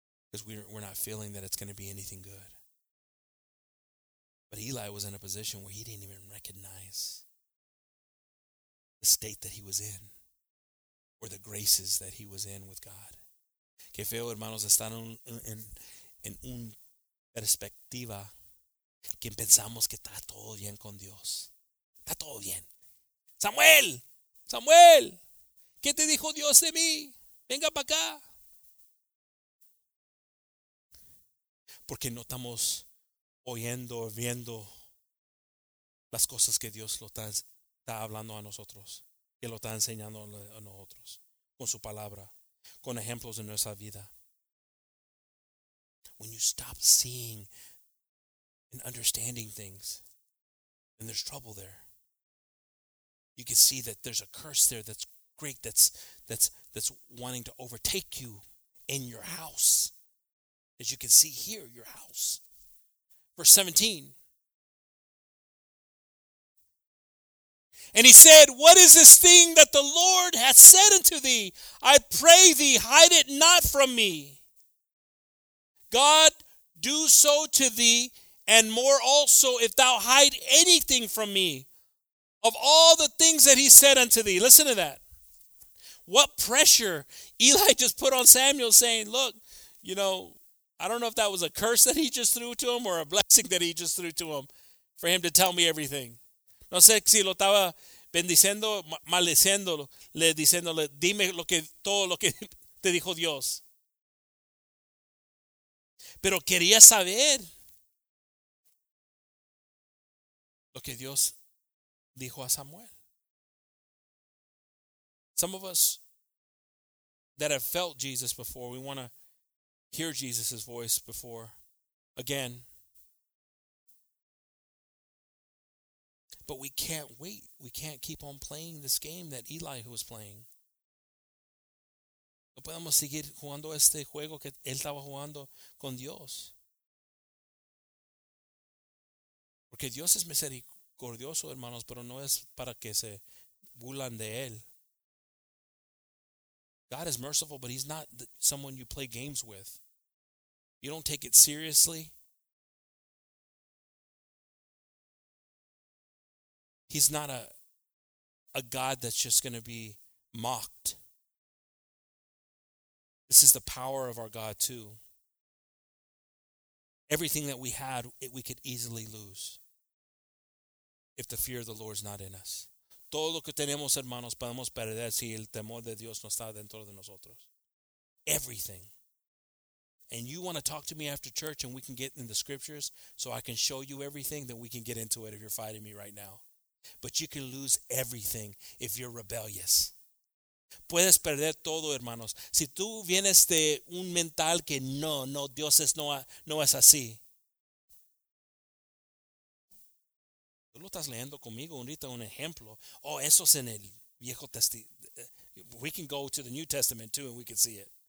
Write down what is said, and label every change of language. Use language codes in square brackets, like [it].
[en] Because we're not feeling that it's going to be anything good. But Eli was in a position where he didn't even recognize the state that he was in or the graces that he was in with God. [es] Que feo, hermanos, estar en un perspectiva que pensamos que está todo bien con Dios. Está todo bien. Samuel, ¿qué te dijo Dios de mí? Venga para acá. Porque no estamos oyendo, viendo las cosas que Dios lo está hablando a nosotros, que lo está enseñando a nosotros, con su palabra, con ejemplos de nuestra vida. [en] When you stop seeing and understanding things, then there's trouble there. You can see that there's a curse there that's great, that's wanting to overtake you in your house. As you can see here, your house. Verse 17. And he said, what is this thing that the Lord hath said unto thee? I pray thee, hide it not from me. God do so to thee, And more also, if thou hide anything from me of all the things that he said unto thee. Listen to that. What pressure Eli just put on Samuel, saying, look, you know, I don't know if that was a curse that he just threw to him or a blessing that he just threw to him for him to tell me everything. [es] No sé si lo estaba bendiciendo, maldiciendo, le diciéndole, dime lo que, todo lo que te dijo Dios. Pero quería saber lo que Dios dijo a Samuel. [en] Some of us that have felt Jesus before, we want to hear Jesus' voice before again. But we can't wait. We can't keep on playing this game that Eli was playing. [es] No podemos seguir jugando este juego que él estaba jugando con Dios. Porque Dios es misericordioso, hermanos, pero no es para que se burlan de él. [en] God is merciful, but he's not someone you play games with. You don't take it seriously. He's not a God that's just going to be mocked. This is the power of our God too. Everything that we had, we could easily lose if the fear of the Lord is not in us. [es] Todo lo que tenemos, hermanos, podemos perder si el temor de Dios no está dentro de nosotros. [en] Everything. And you want to talk to me after church and we can get in the scriptures so I can show you everything, then we can get into it if you're fighting me right now. But you can lose everything if you're rebellious. [es] Puedes perder todo, hermanos. Si tú vienes de un mental que no, Dios es no es así. Tú lo estás leyendo conmigo ahorita, un ejemplo. Oh, eso es en el Viejo Testamento. [en] We can go to the New Testament too and we can see it.